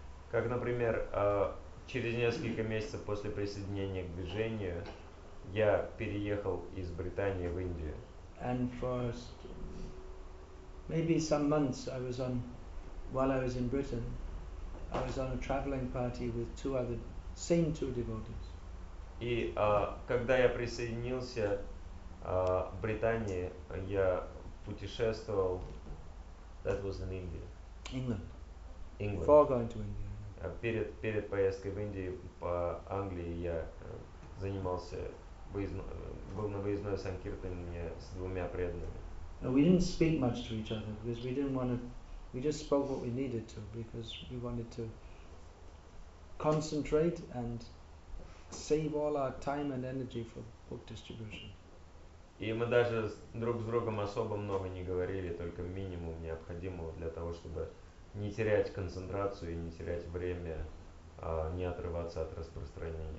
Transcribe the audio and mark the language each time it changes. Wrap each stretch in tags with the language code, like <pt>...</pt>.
<ru>Как, например, через несколько месяцев после присоединения к движению я переехал из Британии в Индию.</ru> <en>And for maybe some months while I was in Britain, I was on a traveling party with two devotees.</en> <ru>И когда я присоединился в Британии, я путешествовал.</ru> <en>That was in India. England. Before going to India.</en> <ru>Перед поездкой в Индию по Англии я занимался был на выездной санкиртане с двумя преданными.</ru> <en>We didn't speak much to each other because we didn't want to. We just spoke what we needed to because we wanted to concentrate and save all our time and energy for book distribution.</en> <ru>И мы даже друг с другом особо много не говорили, только минимум необходимого для того, чтобы не терять концентрацию и не терять время, не отрываться от распространения.</ru>